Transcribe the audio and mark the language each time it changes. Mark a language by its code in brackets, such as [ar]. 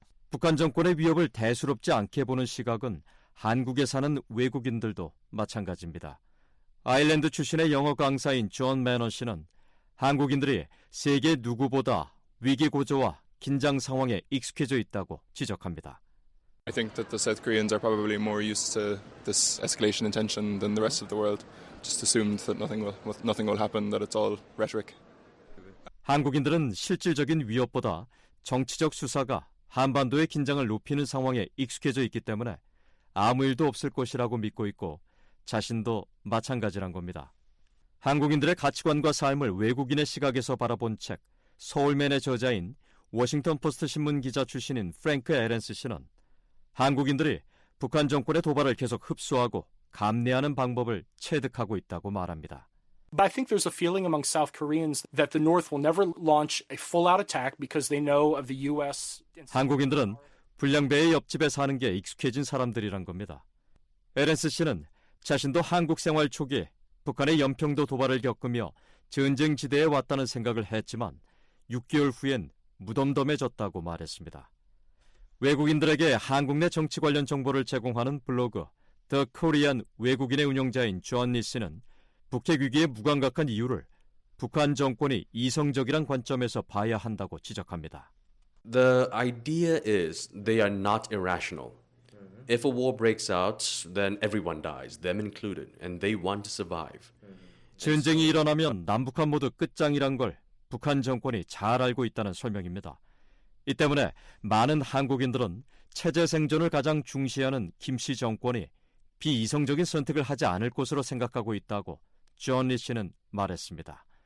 [ko] 북한 정권의 위협을 대수롭지 않게 보는 시각은 한국에 사는 외국인들도 마찬가지입니다. 아일랜드 출신의 영어 강사인 존 매너 씨는 한국인들이 세계 누구보다 위기 고조와 긴장 상황에 익숙해져 있다고 지적합니다. [en] I think that the South Koreans are probably more used to this escalation in tension than the rest of the world. Just assumed that nothing will happen, that it's all rhetoric. [ko] 한국인들은 실질적인 위협보다 정치적 수사가 한반도의 긴장을 높이는 상황에 익숙해져 있기 때문에 아무 일도 없을 것이라고 믿고 있고 자신도 마찬가지란 겁니다. 한국인들의 가치관과 삶을 외국인의 시각에서 바라본 책 서울맨의 저자인 워싱턴포스트 신문 기자 출신인 프랭크 에렌스 씨는 한국인들이 북한 정권의 도발을 계속 흡수하고 감내하는 방법을 체득하고 있다고 말합니다. [en] But I think there's a feeling among South Koreans that the North will never launch a full-out attack because they know of the U.S. [ko] 한국인들은 불량배의 옆집에 사는 게 익숙해진 사람들이란 겁니다. 에렌스 씨는 자신도 한국 생활 초기에 북한의 연평도 도발을 겪으며 전쟁지대에 왔다는 생각을 했지만 6개월 후엔 무덤덤해졌다고 말했습니다. 외국인들에게 한국 내 정치 관련 정보를 제공하는 블로그 The Korean 외국인의 운영자인 존 니 씨는 북핵 위기에 무감각한 이유를 북한 정권이 이성적이란 관점에서 봐야 한다고 지적합니다. [en] The idea is they are not irrational. If a war breaks out, then everyone dies, them included, and they want to survive. [ko] 전쟁이 일어나면 남북한 모두 끝장이란 걸 북한 정권이 잘 알고 있다는 설명입니다. 이 때문에 많은 한국인들은 체제 생존을 가장 중시하는 김씨 정권이 비이성적인 선택을 하지 않을 것으로 생각하고 있다고 존 리 씨는 말했습니다.